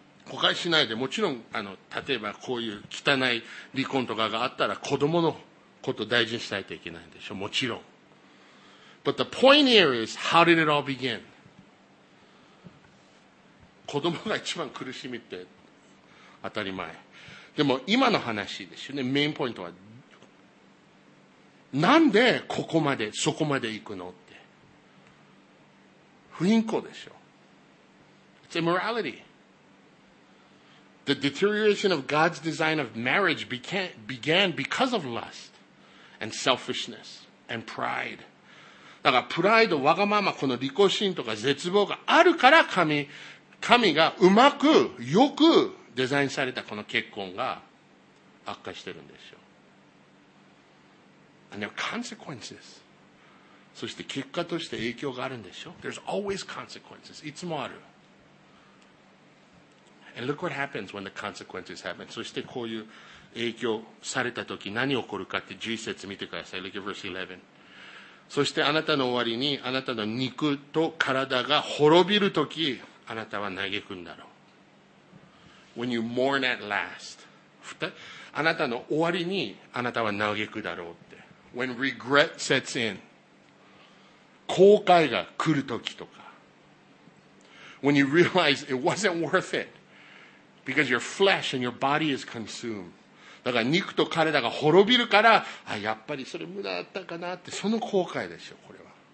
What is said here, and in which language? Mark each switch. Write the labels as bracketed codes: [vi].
[ja] 誤解しないで、もちろん例えばこういう汚い離婚とかがあったら子供のことを大事にしないといけないんでしょう、もちろん。 [en] But the point here is, how did it all begin? [ja] 子供が一番苦しみって当たり前。でも今の話ですよね、メインポイントは。なんでここまで、そこまで行くのって。不貧困でしょ。 [en] It's immorality. The deterioration of God's design of marriage began because of lust and selfishness and pride. [ja] だからプライド、わがまま、この利己心とか絶望があるから神がうまく、よくデザインされたこの結婚が悪化してるんですよ。 [en] And there are consequences. [ja] そして結果として影響があるんでしょ。 [en] There's always consequences. [ja] いつもある。 [en] And look what happens when the consequences happen. [ja] そしてこういう影響された時何起こるかって10節見てください。 [en] Look at verse 11. [ja] そしてあなたの終わりにあなたの肉と体が滅びる時あなたは嘆くんだろう。 [en] When you mourn at last. [ja] あなたの終わりにあなたは嘆くだろうって。 [en] When regret sets in. [ja] 後悔が来る時とか。 [en] When you realize it wasn't worth it. Because your flesh and your body is consumed. [ja] だから肉と体が滅びるから、あ、やっぱりそれ無駄だったかなって、その後悔ですよ、これは。